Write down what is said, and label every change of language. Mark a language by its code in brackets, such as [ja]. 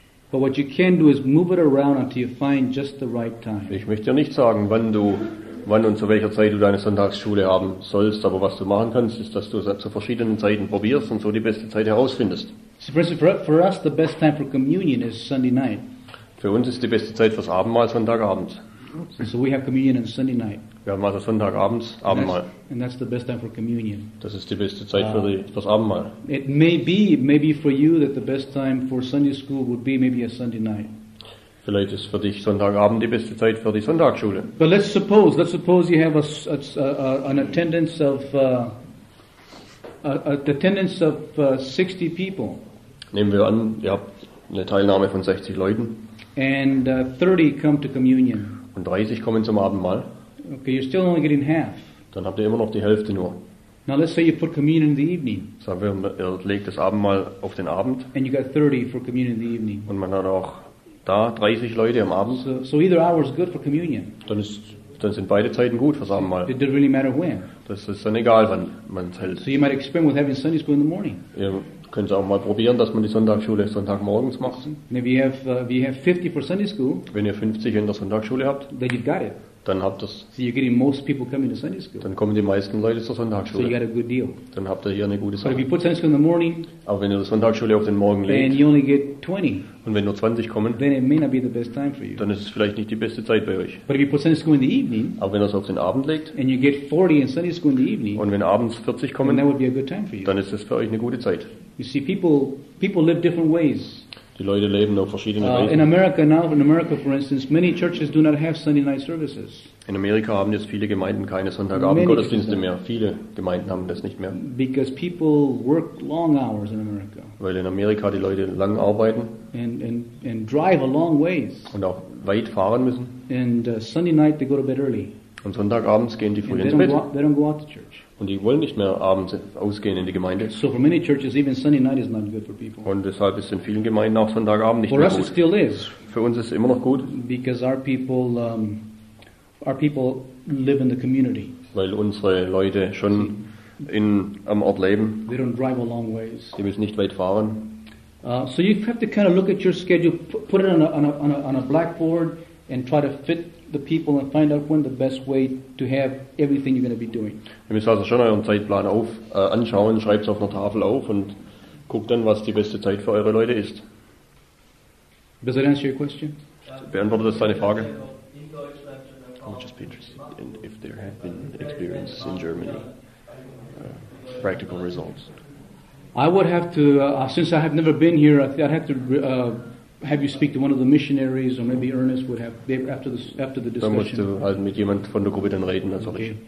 [en] But what you can do is move it around until you find just the right time. [de] Ich möchte dir nicht sagen, wann und zu welcher Zeit du deine Sonntagsschule haben sollst, aber was du machen kannst, ist, dass du es zu verschiedenen Zeiten probierst und so die beste Zeit herausfindest. [en] For us, the best time for communion is Sunday night. [de] Für uns ist die beste Zeit fürs Abendmahl Sonntagabend. [en] So we have communion on Sunday night. [de] Wir haben also Sonntagabends Abendmahl. [en] And that's the best time for communion. [de] Das ist die beste Zeit fürs Abendmahl. [en] It may be for you that the best time for Sunday school would be maybe a Sunday night. [de] Vielleicht ist für dich Sonntagabend die beste Zeit für die Sonntagsschule. [en] But let's suppose you have an attendance of 60 people. [de] Nehmen wir an, ihr habt eine Teilnahme von 60 Leuten. [en] And 30 come to communion. [de] Und 30 kommen zum Abendmahl. [en] Okay, you're still only getting half. [de] Dann habt ihr immer noch die Hälfte nur. [en] Now let's say you put communion in the evening. [de] Sagen wir, ihr legt das Abendmahl auf den Abend. [en] And you got 30 for communion in the evening. [de] Und man hat auch da 30 Leute am Abend. [en] So either hour is good for communion. [de] Dann sind beide Zeiten gut fürs Abendmahl. [en] It doesn't really matter when. [de] Das ist dann egal, wann man es hält. [en] So you might experiment with having Sunday school in the morning. [de] Ihr könnt auch mal probieren, dass man die Sonntagsschule Sonntagmorgens macht. [en] We have 50 for Sunday school, [de] wenn ihr 50 in der Sonntagsschule habt, [en] then you've got it. [de] Dann habt ihr es. [en] So you're getting most people coming to Sunday school. [de] Dann kommen die meisten Leute zur Sonntagsschule. [en] So you got a good deal. [de] Dann habt ihr hier eine gute Sache. [en] But if you put Sunday school in the morning, [de] aber wenn ihr die Sonntagsschule auf den Morgen legt, [en] then you only get 20. [de] Und wenn nur 20 kommen, [en] then it may not be the best time for you. [de] Dann ist es vielleicht nicht die beste Zeit bei euch. [en] But if you put Sunday school in the evening, [de] aber wenn ihr es auf den Abend legt, [en] and you get 40 in Sunday school in the evening, [de] und wenn abends 40 kommen, [en] then that would be a good time for you. [de] Dann ist es für euch eine gute Zeit. [en] You see, people live different ways. [de] Die Leute leben auf verschiedene Weisen. [en] In America now, in America for instance, many churches do not have Sunday night services. [de] In Amerika haben jetzt viele Gemeinden keine Sonntagabend-Gottesdienste mehr. Viele Gemeinden haben das nicht mehr. [en] Because people work long hours in America. [de] Weil in Amerika die Leute lang arbeiten. [en] And drive a long ways. [de] Und auch weit fahren müssen. [en] And Sunday night they go to bed early. [de] Und sonntagabends gehen die früh ins Bett. [en] They don't go out to church. [de] Und die wollen nicht mehr abends ausgehen in die Gemeinde. [en] So for many churches, even Sunday night is not good for people. [de] Und deshalb ist in vielen Gemeinden auch Sonntagabend nicht [en] for [de] mehr [en] us [de] gut. [en] It still is. [de] Für uns ist es immer noch gut. [en] Because our people live in the community. [de] Weil unsere Leute schon am Ort leben. [en] They don't drive a long ways. [de] Die müssen nicht weit fahren. [en] So you have to kind of look at your schedule, put it on a blackboard and try to fit the people and find out when the best way to have everything you're going to be doing. [de] Ihr müsst also schon euren Zeitplan anschauen, schreibt es auf einer Tafel auf und guckt dann, was die beste Zeit für eure Leute ist. [en] Does that answer your question? [de] Beantwortet das deine Frage? [en] I would just be interested in if there have been experiences in Germany, practical results. I would have to, since I have never been here, I'd have to have you speak to one of the missionaries, or maybe Ernest would have after the discussion. [de] Dann musst du halt mit jemand von der Gruppe dann reden, also okay.